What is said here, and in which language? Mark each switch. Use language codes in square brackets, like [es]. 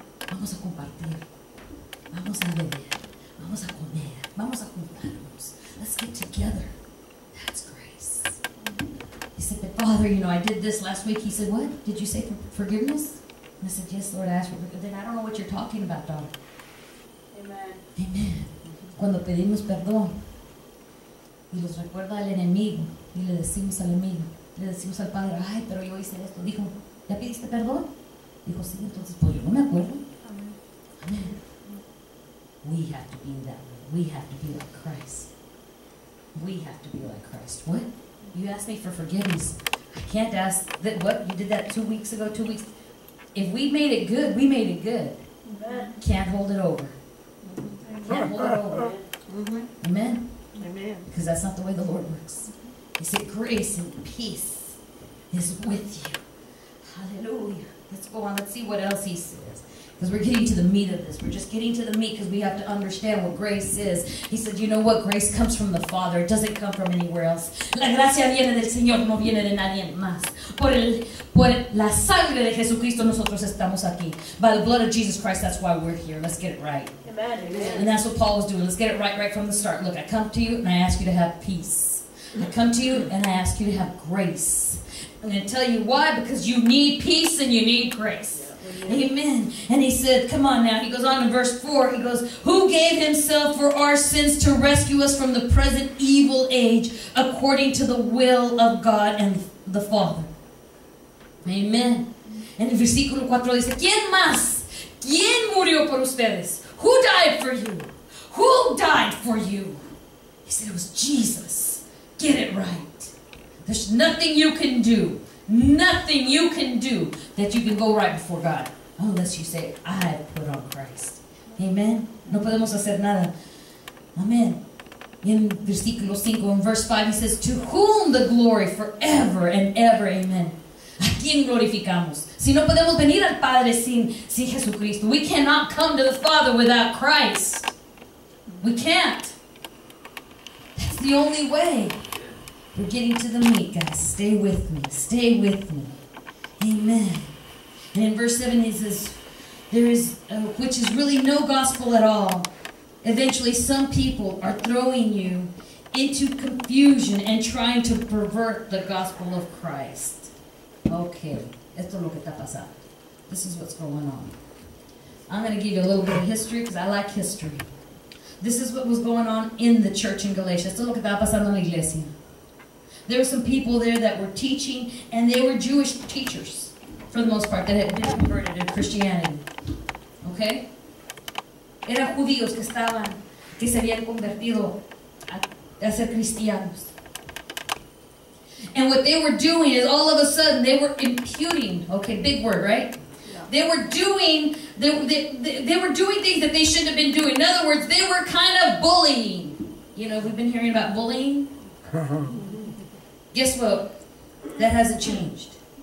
[es] Vamos a compartir. Vamos a beber. Vamos a comer. Vamos a juntarnos. [en] Let's get together. That's grace. He said, but Father, you know, I did this last week. He said, what? Did you say forgiveness? And I said, yes, Lord, I ask for forgiveness. Then I don't know what you're talking about, daughter. Amen. Amen. [es] Cuando pedimos perdón, y los recuerda al enemigo, y le decimos al enemigo, le decimos al Padre, ay, pero yo hice esto. Dijo, ¿ya pidiste perdón? Dijo, sí, entonces, pues yo no me acuerdo. Amen. [en] Amen. We have to be that way. We have to be like Christ. We have to be like Christ. What? You asked me for forgiveness. I can't ask that. What? You did that 2 weeks ago, 2 weeks. If we made it good, we made it good. Amen. Can't hold it over. Can't hold it over. Mm-hmm. Amen. Amen. Because that's not the way the Lord works. He said, grace and peace is with you. Hallelujah. Let's go on. Let's see what else he says. Because we're getting to the meat of this. We're just getting to the meat because we have to understand what grace is. He said, you know what? Grace comes from the Father. It doesn't come from anywhere else. [es] La gracia viene del Señor, no viene de nadie más. Por la sangre de Jesucristo, nosotros estamos aquí. [en] By the blood of Jesus Christ, that's why we're here. Let's get it right. Amen. And that's what Paul was doing. Let's get it right from the start. Look, I come to you and I ask you to have peace. I come to you and I ask you to have grace. I'm going to tell you why, because you need peace and you need grace. Amen. And he said, come on now. He goes on in verse 4. He goes, who gave himself for our sins to rescue us from the present evil age according to the will of God and the Father. Amen. And in versículo 4, he said, [es] ¿quién más? ¿Quién murió por ustedes? [en] Who died for you? Who died for you? He said, it was Jesus. Get it right. There's nothing you can do. Nothing you can do that you can go right before God unless you say, I put on Christ. Amen. [es] No podemos hacer nada. [en] Amen. In versículo 5, in verse 5, he says, to whom the glory forever and ever. [es] Amen. ¿A quién glorificamos? Si no podemos venir al Padre sin Jesucristo. [en] We cannot come to the Father without Christ. We can't. That's the only way. We're getting to the meat, guys. Stay with me. Stay with me. Amen. And in verse 7, he says, which is really no gospel at all. Eventually, some people are throwing you into confusion and trying to pervert the gospel of Christ. Okay. [es] Esto es lo que está pasando. [en] This is what's going on. I'm going to give you a little bit of history because I like history. This is what was going on in the church in Galatia. [es] Esto es lo que está pasando en la iglesia. [en] There were some people there that were teaching, and they were Jewish teachers, for the most part, that had been converted to Christianity. Okay? [es] Eran judíos que estaban, que se habían convertido a ser cristianos. [en] And what they were doing is all of a sudden they were imputing, okay, big word, right? They were doing things that they shouldn't have been doing. In other words, they were kind of bullying. You know, we've been hearing about bullying. Guess what? That hasn't changed.